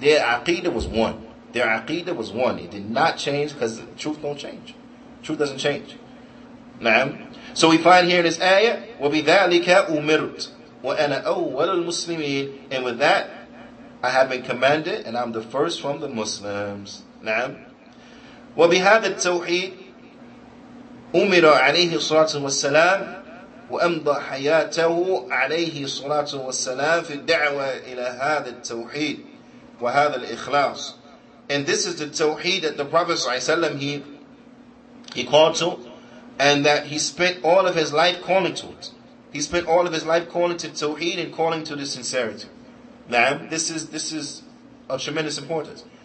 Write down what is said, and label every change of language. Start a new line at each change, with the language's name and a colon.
English: Their aqidah was one. Their aqidah was one. It did not change because the truth don't change. Truth doesn't change. Na'am. So we find here in this ayah,
Arabic: وَبِذَلِكَ أُمِرْتُ وَأَنَا أَوَّلُ الْمُسْلِمِينَ.
English: And with that, I have been commanded and I'm the first from the Muslims. Na'am.
Arabic: وَبِهَذَا التَّوْحِيدُ أُمِرَ عَلَيْهِ الصَّلَاةُ وَالسَّلَامُ وأمضى حياته عليه الصلاة والسلام في الدعوة إلى هذا التوحيد. وهذا الإخلاص.
English: And this is the tawheed that the Prophet ﷺ he called to, and that he spent all of his life calling to it. He spent all of his life calling to tawheed and calling to the sincerity. Now, this is of tremendous importance.